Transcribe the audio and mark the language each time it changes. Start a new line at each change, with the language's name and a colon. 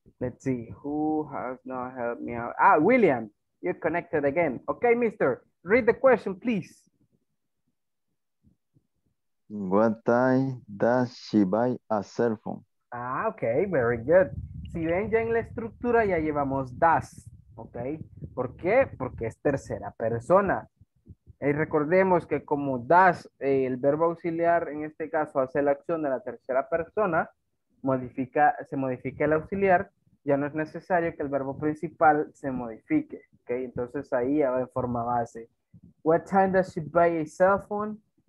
English: Let's see, who has not helped me out? Ah, William, you're connected again. Okay, mister, read the question, please. What time does she buy a cell phone? Ah, ok, very good.
Spanish: Si ven ya en la estructura, ya llevamos das, ok. ¿Por qué? Porque es tercera persona. Y recordemos que como das, el verbo auxiliar, en este caso, hace la acción de la tercera persona, se modifica el auxiliar, ya no es necesario que el verbo principal se modifique, ok. Entonces ahí ya va en forma base.
English: What time does she buy a cell phone?